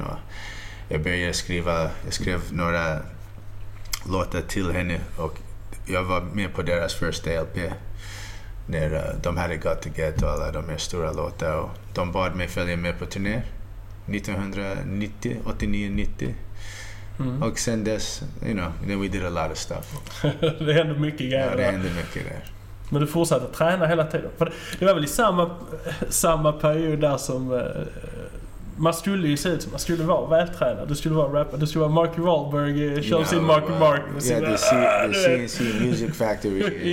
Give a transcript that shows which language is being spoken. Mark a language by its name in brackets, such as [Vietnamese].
[Swedish] Och jag började skriva, jag skrev några låtar till henne. Och jag var med på deras första LP. När de hade Got To Get och alla de här stora låtar. Och de bad mig följa med på turné. 1989-90. Mm. Och sen dess, [English] you know, then we did a lot of stuff. [Swedish] Det hände mycket grejer. Ja, det hände mycket där. Men du fortsatte träna hela tiden. För det var väl i samma period där som man skulle ju se ut som man skulle vara vältränad. Du skulle vara rapper, du skulle vara Mark Wahlberg, kör sin Mark & Mark. Ja, the CNC Music Factory.